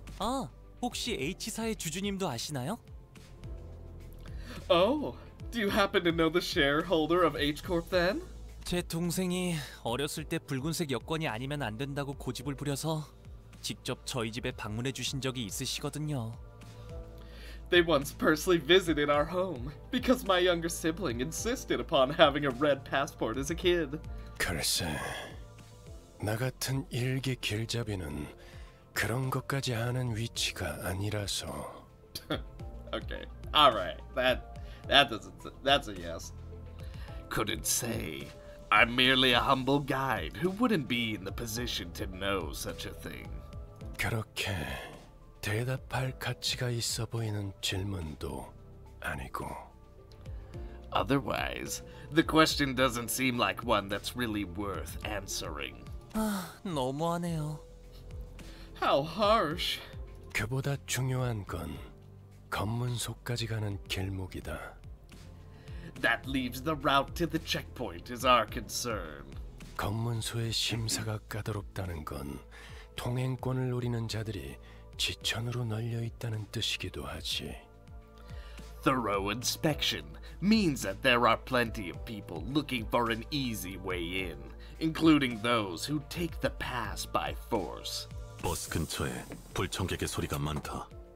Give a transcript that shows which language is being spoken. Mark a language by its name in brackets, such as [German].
[Korean] 아, 혹시 H사의 주주님도 아시나요? [English] Oh, do you happen to know the shareholder of H-Corp then? [Korean] 제 동생이 어렸을 때 붉은색 여권이 아니면 안 된다고 고집을 부려서 직접 저희 집에 방문해 주신 적이 있으시거든요. [English] They once personally visited our home because my younger sibling insisted upon having a red passport as a kid. [Korean] 글쎄, 나 같은 일개 길잡이는 그런 것까지 아는 위치가 아니라서. [English] Okay, alright, that's a yes. Couldn't say. I'm merely a humble guide who wouldn't be in the position to know such a thing. [Korean] 그렇게 대답할 가치가 있어 보이는 질문도 아니고. [English] Otherwise, the question doesn't seem like one that's really worth answering. [Korean] 아, 너무하네요. [English] How harsh. [Korean] 그보다 중요한 건 검문소까지 가는 길목이다. [English] That leaves the route to the checkpoint is our concern. [Korean] 검문소의 심사가 까다롭다는 건 통행권을 노리는 자들이 지천으로 널려 있다는 뜻이기도 하지. [English] Thorough inspection means that there are plenty of people looking for an easy way in, including those who take the pass by force. [Korean] 버스 근처에 불청객의 소리가 많다.